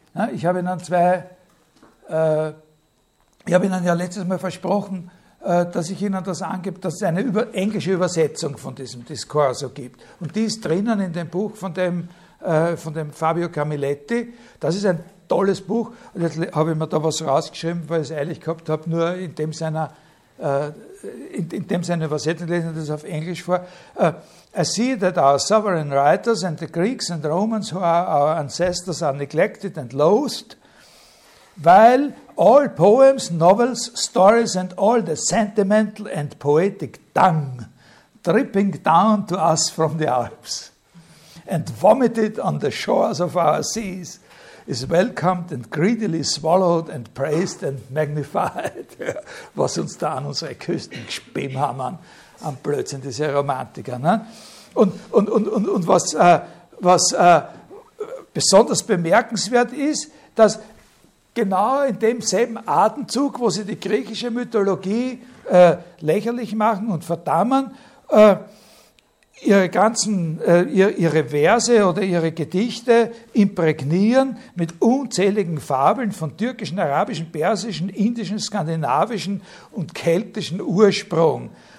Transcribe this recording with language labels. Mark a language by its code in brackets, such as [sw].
[de] Ja, ich habe Ihnen ja letztes Mal versprochen, dass ich Ihnen das angebe, dass es eine englische Übersetzung von diesem Discorso gibt. Und die ist drinnen in dem Buch von dem Fabio Camilletti. Das ist ein tolles Buch. Und jetzt habe ich mir da was rausgeschrieben, weil ich es eilig gehabt habe, nur in dem seiner in dem Sinne übersetzt, lesen wir das auf Englisch vor. [en] I see that our sovereign writers and the Greeks and Romans who are our ancestors are neglected and loathed, while all poems, novels, stories and all the sentimental and poetic dung dripping down to us from the Alps and vomited on the shores of our seas is welcomed and greedily swallowed and praised and magnified. [de] Was uns da an unsere Küsten gespäm haben an Blödsinn, diese Romantiker. Ne? Und was besonders bemerkenswert ist, dass genau in demselben Atemzug, wo sie die griechische Mythologie lächerlich machen und verdammen, ihre Verse oder ihre Gedichte imprägnieren mit unzähligen Fabeln von türkischen, arabischen, persischen, indischen, skandinavischen und keltischen Ursprung.